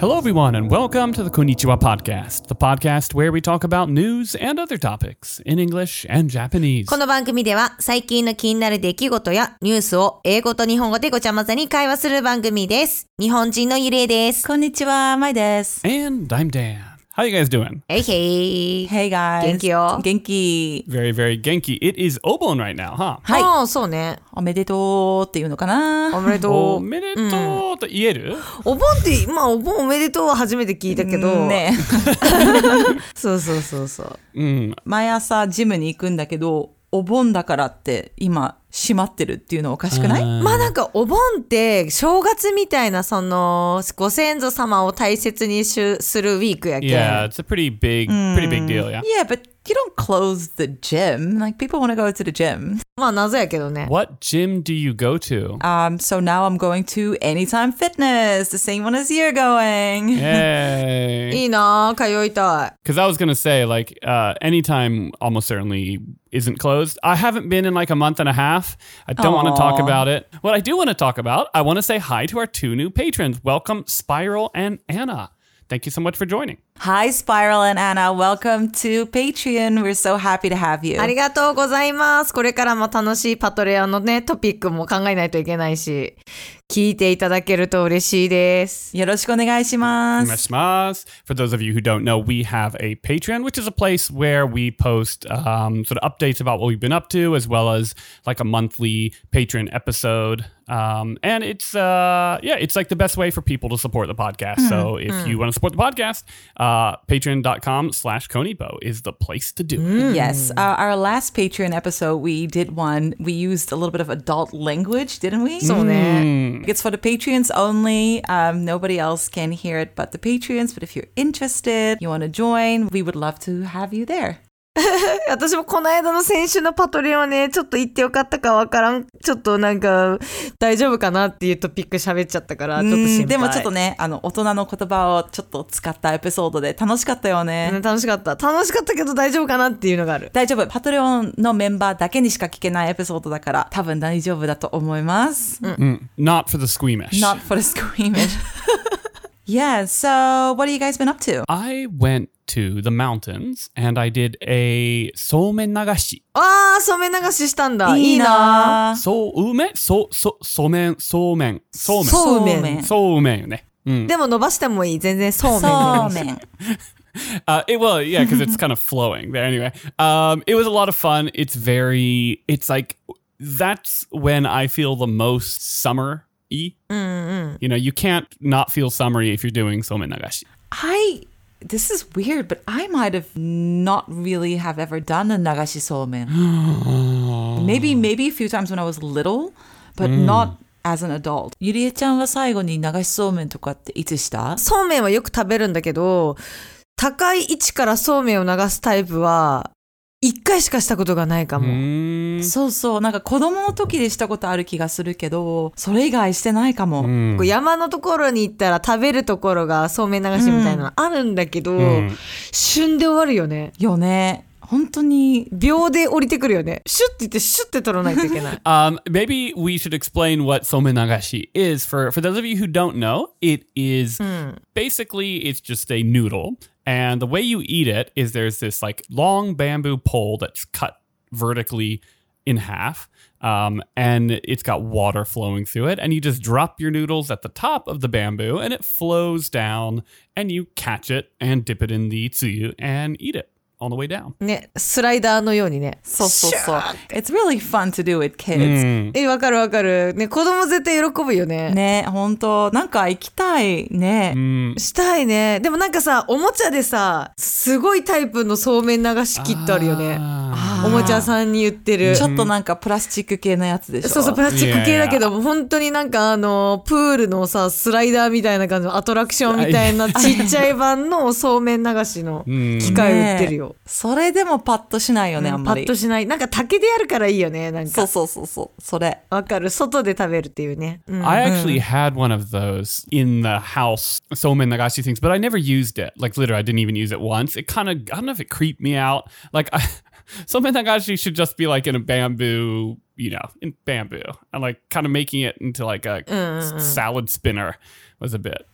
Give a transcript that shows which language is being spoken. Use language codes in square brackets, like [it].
[en] Hello everyone and welcome to the Konnichiwa Podcast, the podcast where we talk about news and other topics in English and Japanese. [ja] この番組では最近の気になる出来事やニュースを英語と日本語でごちゃ混ぜに会話する番組です。日本人のゆれいです。こんにちは、まいです。 [en] And I'm Dan. How you guys doing? Hey, hey. Hey, guys. [ja] 元気よ。元気。 [en] Very, very 元気.It is Obon right now, huh? [ja] はい。ああ、そうね。おめでとうっていうのかな。おめでとう。おめでとうと言える？お盆って、まあ、お盆おめでとうは初めて聞いたけど。ね。そうそうそうそう。毎朝ジムに行くんだけど、お盆だからって今閉まってるっていうのおかしくない？まあなんかお盆って正月みたいなそのご先祖様を大切にするウィークやけん。 [en] Yeah, it's a pretty big deal, yeah. Yeah, but you don't close the gym. Like people want to go to the gym. [ja] まあ謎やけどね。 [en] What gym do you go to? So now I'm going to Anytime Fitness, the same one as you're going. Hey. [ja] いいな、通いたい。 [en] Because I was gonna say like Anytime almost certainly. Isn't closed. I haven't been in like a month and a half. I don't want to talk about it. What I do want to talk about, I want to say hi to our two new patrons. Welcome, Spiral and Anna. Thank you so much for joining. Hi, Spiral and Anna. Welcome to Patreon. We're so happy to have you. [ja] ありがとうございます。これからも楽しいパトレアのね、トピックも考えないといけないし、聞いていただけると嬉しいです。よろしくお願いします。お願いします。 [en] For those of you who don't know, we have a Patreon, which is a place where we post sort of updates about what we've been up to, as well as like a monthly Patreon episode. And it's, yeah, it's like the best way for people to support the podcast. So if you want to support the podcast,patreon.com/konipo is the place to do it. Yes. Our last Patreon episode, we did one. We used a little bit of adult language, didn't we? So then. It's for the Patreons only. Nobody else can hear it but the Patreons. But if you're interested, you want to join, we would love to have you there. [ja] 私もこの間の先週のパトリオンはねちょっと行ってよかったかわからんちょっとなんか大丈夫かなっていうトピック喋っちゃったからちょっと心配でもちょっとねあの大人の言葉をちょっと使ったエピソードで楽しかったよね、楽しかった楽しかったけど大丈夫かなっていうのがある大丈夫パトリオンのメンバーだけにしか聞けないエピソードだから多分大丈夫だと思います、 [en] Not for the squeamish Not for the squeamish Yeah, so what have you guys been up to? I wentto the mountains and I did a そうめん流し。 [ja] あー、そうめん流ししたんだ。いいな。そうめん、そうめん、そうめん。そうめん。そうめんよね。でも伸ばしてもいい。全然そうめん。そうめん。 [en] Well, yeah, because it's kind of flowing. But anyway, it was a lot of fun. It's very, it's like, that's when I feel the most summer-y. You know, you can't not feel summery if you're doing そうめん流し。 This is weird, but I might have not really have ever done a nagashi soumen. maybe a few times when I was little, but not as an adult. [ja] ゆりえちゃんは最後に nagashi soumen とかっていつした？そうめんはよく食べるんだけど、高い位置からそうめんを流すタイプは一回しかしたことがないかも。そうそう、なんか子供の時でしたことある気がするけど、それ以外してないかも。山のところに行ったら食べるところがそうめん流しみたいなのあるんだけど、旬で終わるよね。よね。本当に秒で降りてくるよね。シュッて言ってシュッて取らないといけない。 [en] maybe we should explain what そうめん流し is. For those of you who don't know, it is basically it's just a noodle. And the way you eat it is there's this like long bamboo pole that's cut vertically in half, and it's got water flowing through it. And you just drop your noodles at the top of the bamboo and it flows down and you catch it and dip it in the tsuyu and eat it on the way down. [ja] ね、スライダーのようにね。そうそうそう。 [en] It's really fun to do with kids. [ja] わかるわかる。ね、子供絶対喜ぶよね。ね、本当。なんか行きたいね。したいね。でもなんかさ、おもちゃでさ、すごいタイプのそうめん流しキットあるよね。おもちゃさんに言ってる。ちょっとなんかプラスチック系のやつでしょ。そうそう、プラスチック系だけど、本当になんかあの、プールのさ、スライダーみたいな感じのアトラクションみたいなちっちゃい版のそうめん流しの機械売ってるよ。それでもパッとしないよね、あんまり。パッとしない。なんか竹でやるからいいよね、なんか。そうそうそうそう。それ。わかる。外で食べるっていうね。 [en] I actually had one of those in the house, そうめん流し things, but I never used it. Like literally, I didn't even use it once. It kind of, I don't know if it creeped me out. Like, I, そうめん流しshould just be like in a bamboo you know, in bamboo. And like kind of making it into like a salad spinner was a bit.